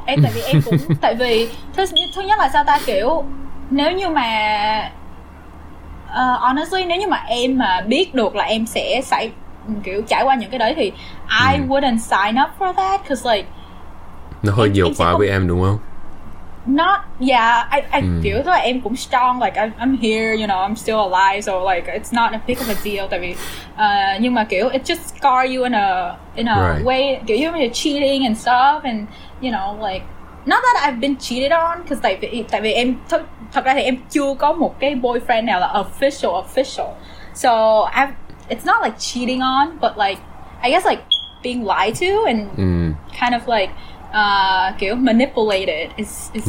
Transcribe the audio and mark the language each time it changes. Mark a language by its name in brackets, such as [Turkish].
[Vietnamese] Em tại vì em cũng, tại vì thứ nhất là sao ta, kiểu nếu như mà honestly, nếu như mà em mà biết được là em sẽ xảy kiểu trải qua những cái đấy thì [English] I wouldn't sign up for that, cause like [Vietnamese] nó hơi nhiều quá không, với em đúng không? [English] Not yeah, I [Vietnamese] kiểu thôi, em cũng [English] strong, like I'm here, you know, I'm still alive, so like it's not a big of a deal. [Vietnamese] Tại vì nhưng mà kiểu [English] it just scar you in a right. way, kiểu you're cheating and stuff, and you know, like not that I've been cheated on, cause [Vietnamese] tại vì em thật ra thì em chưa có một cái [English] boyfriend [Vietnamese] nào là [English] official, so I've it's not like cheating on, but like I guess like being lied to and kind of like kiểu manipulated is